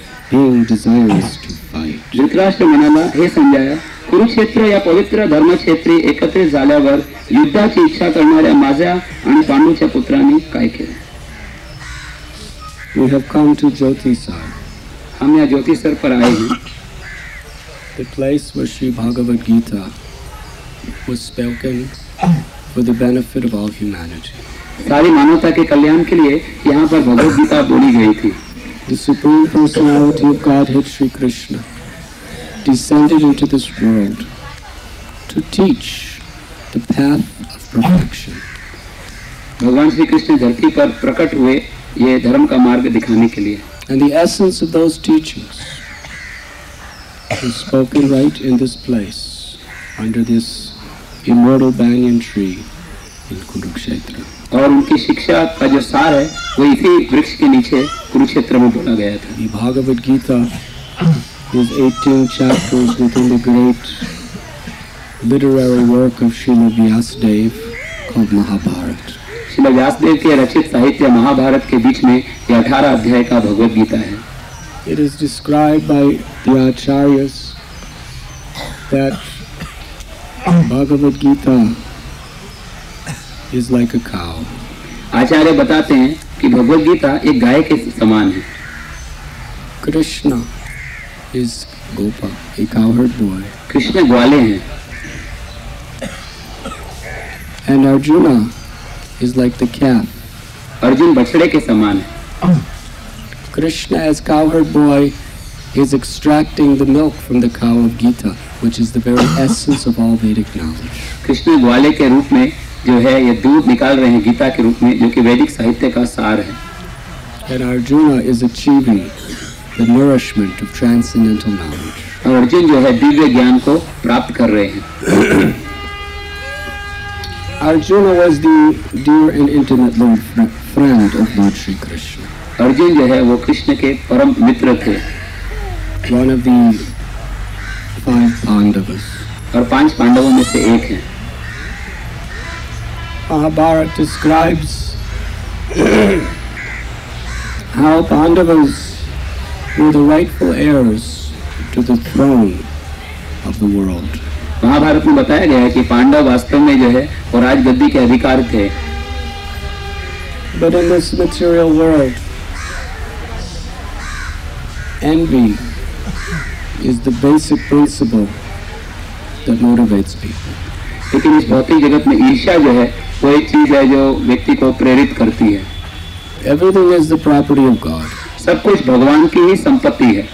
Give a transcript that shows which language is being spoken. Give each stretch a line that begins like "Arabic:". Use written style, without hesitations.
English: being desirous to fight.
Marathi: Dhritarashtra म्हणाला हे संजय कुरुक्षेत्र या पवित्र धर्मक्षेत्री एकत्रित झाल्यावर युद्धाची इच्छा करणाऱ्या माझ्या आणि पांडूच्या पुत्रांनी काय केले.
English: We have come to Jyotisar.
Marathi: आम्ही या
Hindi: ज्योतिसर पर आए हैं.
English: The place where Sri Bhagavad Gita was spoken for the benefit of all humanity.
Hindi: सारी मानवता के कल्याण के लिए यहाँ पर भगवद गीता बोली गई थी.
English: The Supreme Personality of Godhead Sri Krishna descended into this world to teach the path of perfection.
Hindi: भगवान श्री कृष्ण धरती पर प्रकट हुए ये धर्म का मार्ग दिखाने के लिए.
English: And the essence of those teachings is spoken right in this place under this immortal banyan tree in Kurukshetra.
Hindi: और उनकी शिक्षा का जो सार है वो इसी वृक्ष के नीचे कुरुक्षेत्र में बोला गया था.
English: The Bhagavad Gita is 18 chapters within the great literary work of Srila Vyasadeva called Mahabharata.
Hindi: Srila Vyasadeva के रचित साहित्य महाभारत के बीच में ये 18 अध्याय का भगवद गीता है.
English: It is described by the acharyas that Bhagavad Gita is like a cow.
Hindi: आचार्य बताते हैं कि भगवद गीता एक गाय के समान है.
English: Krishna is Gopa, a cowherd boy.
Hindi: Krishna ग्वाले हैं.
English: And Arjuna is like the calf.
Hindi: Arjun बछड़े के समान है.
English: Krishna as cowherd boy is extracting the milk from the cow of Gita, which is the very essence of all Vedic knowledge.
Hindi: Krishna ग्वाले के रूप में जो है ये दूध निकाल रहे हैं गीता के रूप में जो कि वैदिक साहित्य का सार है.
English: And Arjuna is achieving the nourishment of transcendental knowledge.
Hindi: और अर्जुन जो है दिव्य ज्ञान को प्राप्त कर रहे हैं.
English: Arjuna was the dear and intimate Lord friend of Lord Sri Krishna.
Hindi: Arjun जो है वो कृष्ण के परम मित्र थे.
English: One of the five Pandavas.
Hindi: और पांच पांडवों में से एक है.
English: Mahabharata describes how Pandavas were the rightful heirs to the throne of the world.
Hindi: Mahabharata में बताया गया है कि पांडव वास्तव में जो है वो राजगद्दी के अधिकारी थे.
English: But in this material world, envy is the basic principle that motivates people.
Hindi: लेकिन इस भौतिक जगत में ईर्ष्या जो है वो एक चीज है जो व्यक्ति को प्रेरित करती है.
English: Everything is the property of God.
Hindi: सब कुछ भगवान की ही संपत्ति है.